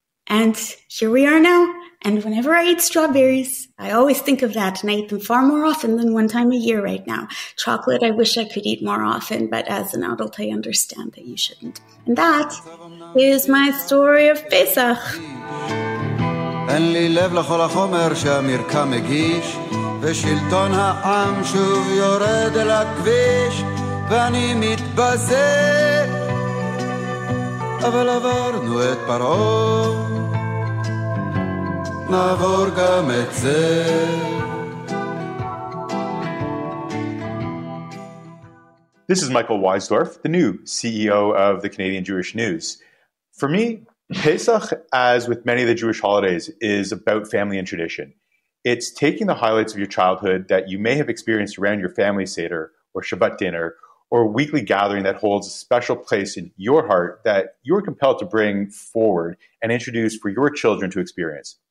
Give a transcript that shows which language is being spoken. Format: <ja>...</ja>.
<en>And here we are now. And whenever I eat strawberries, I always think of that. And I eat them far more often than one time a year right now. Chocolate, I wish I could eat more often. But as an adult, I understand that you shouldn't. And that is my story of Pesach.</en> <he>אין לי לב לכל החומר שהמרקע מגיש ושלטון העם שוב יורד אל הכביש ואני מתבזה אבל עברנו את פרעה נעבור גם את זה</he> <en>This This is Michael Weisdorf, the new CEO of the Canadian Jewish News. For me, Pesach, as with many of the Jewish holidays, is about family and tradition. It's taking the highlights of your childhood that you may have experienced around your family Seder or Shabbat dinner or weekly gathering that holds a special place in your heart that you're compelled to bring forward and introduce for your children to experience.</en>